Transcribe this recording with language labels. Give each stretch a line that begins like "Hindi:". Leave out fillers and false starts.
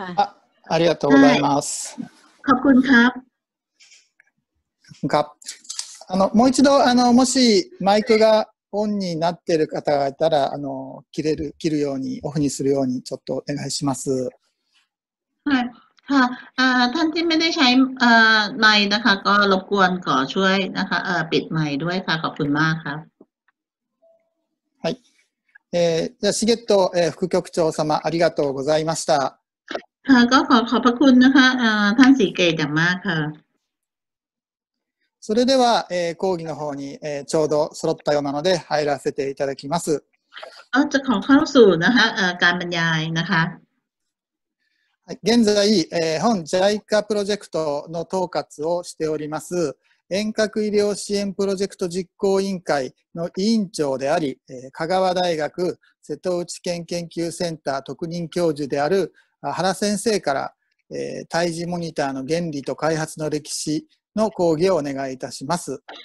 Japanese: ありがとうございます。はい、かっこんか。か。もう一度もしマイクがオンになっている方がいたら切るようにオフにするようにちょっとお願いします。はい。
Thai: ท่านที่ไม่ได้ใช้ไมค์นะคะก็รบกวนขอช่วยนะคะปิดไมค์ด้วยค่ะขอบคุณมากครับ
Japanese: はいじゃあシゲット副局長様ありがとうございました
Thai: ค่ะก็ขอบพระคุณนะคะท่านสีเกตอย่างมากค่ะ
Japanese: それでは講義の方にちょうど揃ったようなので入らせていただきます
Thai: จะขอเข้าสู่นะคะการบรรยายนะคะ
Japanese: 現在、本 JICA プロジェクトの統括をしております遠隔医療支援プロジェクト実行委員会の委員長であり、香川大学瀬戸内県研究センター特任教授である原先生から、胎児モニターの原理と開発の歴史の講義をお願いいたします。